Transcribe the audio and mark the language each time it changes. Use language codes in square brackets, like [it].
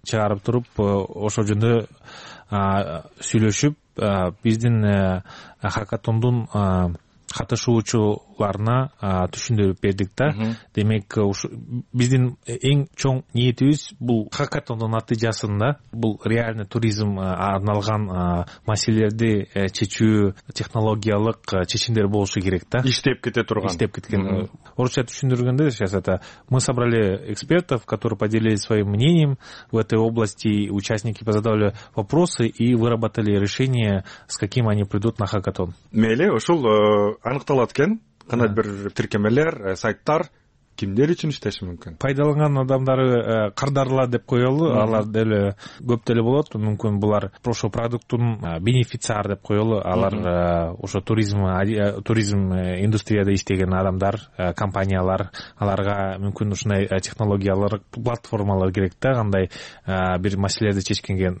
[ky] Чыгарып туруп, ошол жөндө сүйлөшүп, биздин хакатондун катышуучуларына түшүндүрүп бердик да. Демек биздин эң чоң ниетибиз бул хакатондун натыйжасында бул реальный туризм арналган маселелерди чечүү технологиялык чечимдер болушу керек да. Иштеп кете турган. Иштеп кеткен. Орусча түшүндүргөндө [ru] сейчас это мы собрали экспертов, которые поделились своим мнением в этой области, участники позадавали вопросы и выработали решение, с каким они придут на хакатон. [ky] Мейли, ушул аныкталат экен, кандай бир тиркемелер, сайттар кимдер үчүн иштеши мүмкүн? Пайдаланган адамдары кардарлар деп коелу, алар деле көп деле болот. Мүмкүн булар прошу продуктун бенефициар деп коелу, алар ошо туризм индустрияда иштеген адамдар, компаниялар, аларга мүмкүн ушундай технологиялар, платформалар керек да, кандай бир маселелерди чечкенге.